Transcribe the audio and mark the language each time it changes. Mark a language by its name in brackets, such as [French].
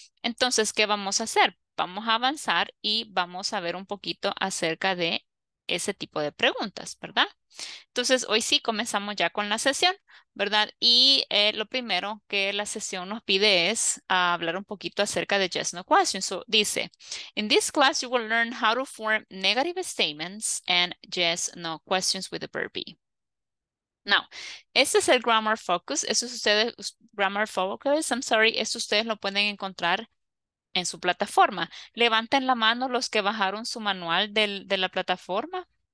[Spanish] Entonces, ¿qué vamos a hacer? Vamos a avanzar y vamos a ver un poquito acerca de ese tipo de preguntas, ¿verdad? Entonces, hoy sí comenzamos ya con la sesión, ¿verdad? Y lo primero que la sesión nos pide es hablar un poquito acerca de yes, no questions. [English] So, [Spanish] dice, [English] in this class, you will learn how to form negative statements and yes, no questions with the verb be. [Spanish] Now, este es el grammar focus. Esto ustedes lo pueden encontrar en su plataforma. Levanten la mano los que bajaron su manual de la plataforma.